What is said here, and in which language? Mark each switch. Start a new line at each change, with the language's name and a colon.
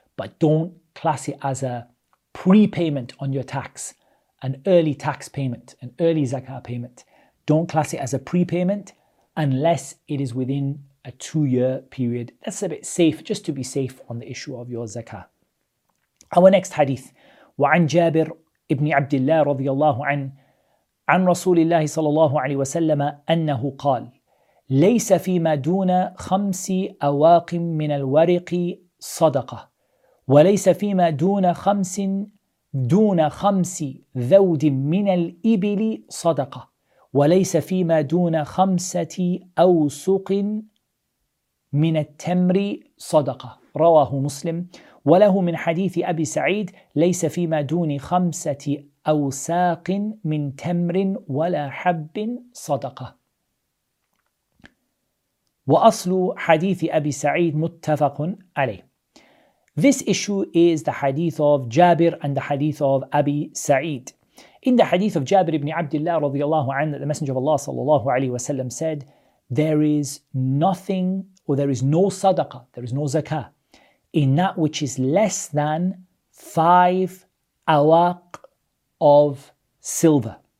English: But don't class it as a prepayment on your tax, an early tax payment, an early zakah payment. Don't class it as a prepayment unless it is within a 2 year period. That's a bit safe, just to be safe on the issue of your zakah. Our next hadith,
Arabic: وعن جابر ابن عبد الله رضي الله عنه عن رسول الله صلى الله عليه وسلم أنه قال ليس فيما دون خمس أواقم من الورق صدقة وليس فيما دون خمس دون خمس ذود من الإبل صدقة وليس فيما دون خمسة أوسق من التمر صدقة رواه مسلم وله من حديث أبي سعيد ليس فيما دون خمسة أوساق من تمر ولا حب صدقة وأصل حديث أبي سعيد متفق عليه.
English: This issue is the hadith of Jabir and the hadith of Abi Sa'id. In the hadith of Jabir ibn Abdullah radiyallahu anhu, the Messenger of Allah sallallahu alayhi wa sallam said, there is nothing, or there is no sadaqah, there is no zakah, in that which is less than 5 awaq of silver.